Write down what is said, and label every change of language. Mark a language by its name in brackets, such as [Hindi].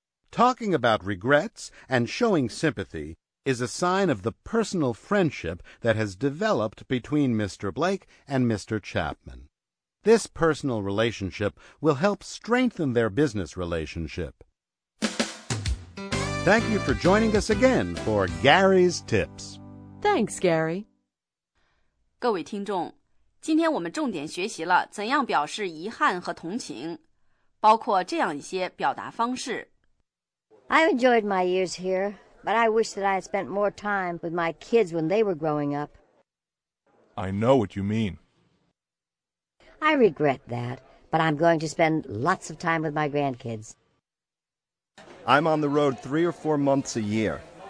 [English] Talking about regrets and showing sympathy is a sign of the personal friendship that has developed between Mr. Blake and Mr. Chapman. This personal relationship will help strengthen their business relationship. Thank you for joining us again for Gary's Tips. Thanks, Gary. [Chinese] 各位听众，今天我们重点学习了怎样表示遗憾和同情，包括这样一些表达方式。 [English] I've enjoyed my years here, but I wish that I had spent more time with my kids when they were growing up. I know what you mean. I regret that, but I'm going to spend lots of time with my grandkids. I'm on the road 3 or 4 months a year.